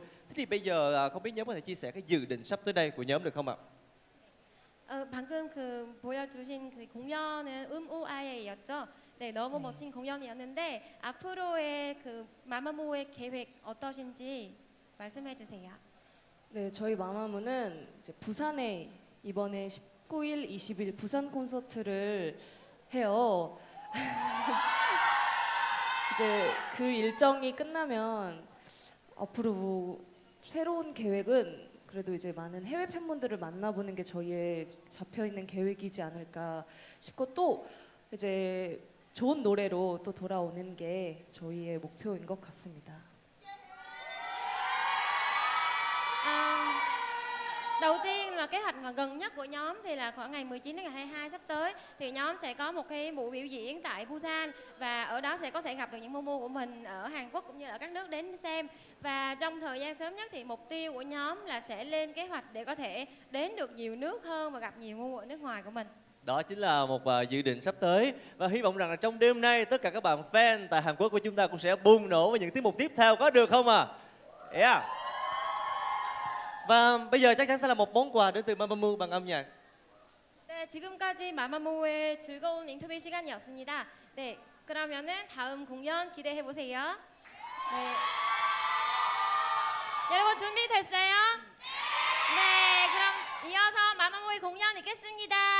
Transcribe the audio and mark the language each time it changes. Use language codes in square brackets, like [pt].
[vi] Thế thì bây giờ không biết nhóm có thể chia sẻ cái dự định sắp tới đây của nhóm được không ạ? [ko] 방금 그 보여주신 그 공연은 UMUIA였죠? 네, 너무 멋진 공연이었는데 앞으로의 그 마마무의 계획 어떠신지 말씀해 주세요. 네, 저희 마마무는 이제 부산에 이번에 19일, 20일 부산 콘서트를 해요. 이제 그 일정이 끝나면 앞으로 뭐 새로운 계획은 그래도 이제 많은 해외 팬분들을 만나보는 게 저희의 잡혀 있는 계획이지 않을까 싶고 또 이제 좋은 노래로 또 돌아오는 게 저희의 목표인 것 같습니다. [vi] Đầu tiên là kế hoạch mà gần nhất của nhóm thì là khoảng ngày 19 đến ngày 22 sắp tới thì nhóm sẽ có một cái buổi biểu diễn tại Busan và ở đó sẽ có thể gặp được những Mumu của mình ở Hàn Quốc cũng như ở các nước đến xem. Và trong thời gian sớm nhất thì mục tiêu của nhóm là sẽ lên kế hoạch để có thể đến được nhiều nước hơn và gặp nhiều Mumu ở nước ngoài của mình. Đó chính là một dự định sắp tới và hy vọng rằng là trong đêm nay tất cả các bạn fan tại Hàn Quốc của chúng ta cũng sẽ bùng nổ với những tiết mục tiếp theo, có được không ạ? Yeah. Và bây giờ chắc chắn sẽ là một món quà đến từ Mamamoo bằng âm nhạc. [ko] 네, 지금까지 마마무의 즐거운 인터뷰 시간이었습니다. 네, 그러면은 다음 공연 기대해 보세요. 네. 여러분 준비됐어요? 네. 그럼 이어서 마마무의 공연 있겠습니다.